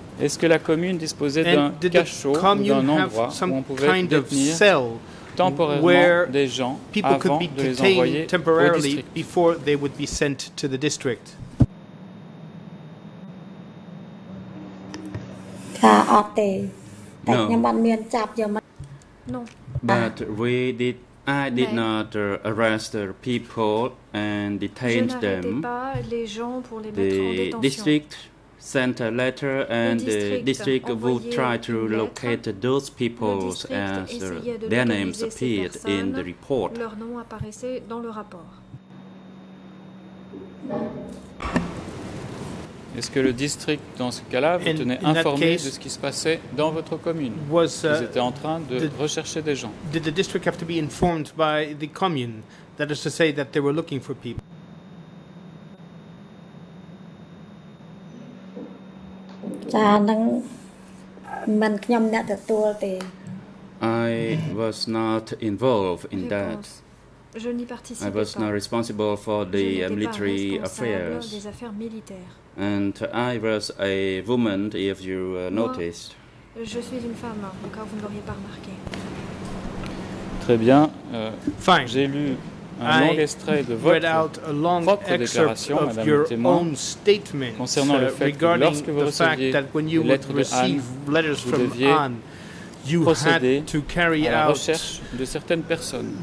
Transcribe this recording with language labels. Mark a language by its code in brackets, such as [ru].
[fr] Est-ce que la commune disposait d'un cachot ou d'un endroit où on pouvait détenir temporairement des gens avant de les envoyer au district? [en] Before they would be sent to the district. No. But we did. I did not arrest people and detain them. The district sent a letter, and the district would try to locate those people as their names appeared in the report. [fr] Leur nom apparaissait dans le rapport. Est-ce que le district, dans ce cas-là, vous tenait informé de ce qui se passait dans votre commune? Vous étiez en train de rechercher des gens. [en] Did the district have to be informed by the commune? That is to say that they were looking for people. I was not involved in that. [fr] Je n'y participais pas. [en] I was not responsible for the military affairs. [fr] Des affaires militaires. [en] And I was a woman, if you noticed. [fr] Je suis une femme, encore vous ne l'auriez pas remarqué. Très bien. J'ai lu un long extrait de votre propre déclaration, madame témoin, concernant le fait que lorsque vous receviez les lettres de Anne, vous deviez procéder à la recherche de certaines personnes.